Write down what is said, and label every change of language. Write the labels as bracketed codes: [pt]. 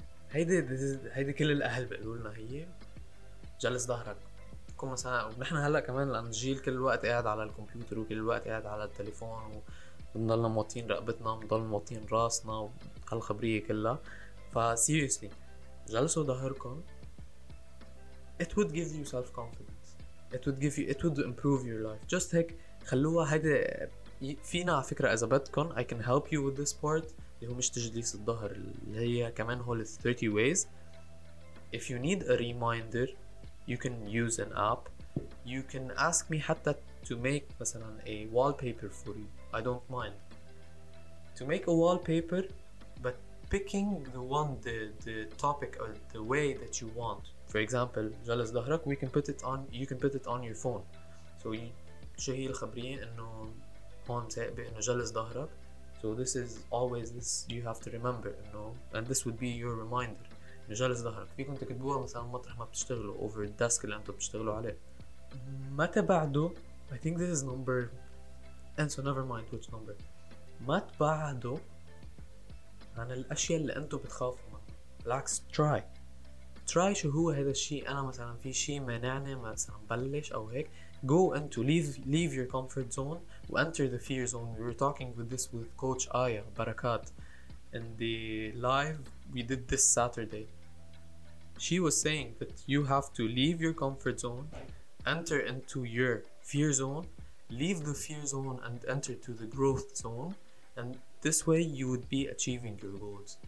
[ar] هيدي كل الأهل بقولنا, هي جلس ظهرك, تكون مثلا ونحن هلأ كمان لأن جيل كل الوقت قاعد على الكمبيوتر وكل الوقت قاعد على التليفون وبنضلنا موطين رقبتنا وبنضل موطين راسنا وهالخبرية كلها, ف [en] seriously [ar] جلسوا ظهركم, [en] it would give you self confidence, it would give you, it would improve your life. [ar] Just هيك خلوها هيدي فينا. على فكرة إذا بدكم [en] I can help you with this part [ar] اللي هو مش تجليس الظهر, اللي هي كمان هول [en] 30 ways. If you need a reminder, you can use an app, you can ask me حتى to make مثلا a wallpaper for you, I don't mind to make a wallpaper, but picking the one, the topic or the way that you want. For example, [ar] جلس ظهرك, [en] we can put it on, you can put it on your phone. [ar] So شو هي الخبرية انه هون تقبي انه جلس ظهرك. [en] So this is always, this you have to remember, you know, and this would be your reminder. [ar] جلس ظهرك فيكم تكتبوها مثلا مطرح ما بتشتغلوا, [en] over the desk [ar] اللي انتو بتشتغلوا عليه. متى بعده, [en] I think this is number, and so never mind which number. متى بعده [ar] عن الأشياء اللي أنتوا بتخافوا منها. بالعكس [en] try. try [ar] شو هو هذا الشيء؟ أنا مثلا في شيء مانعني مثلا بلش أو هيك. [en] go into leave your comfort zone و enter the fear zone. We were talking with this with coach Aya Barakat in the live we did this Saturday. She was saying that you have to leave your comfort zone, enter into your fear zone, leave the fear zone and enter to the growth zone, and this way you would be achieving your goals.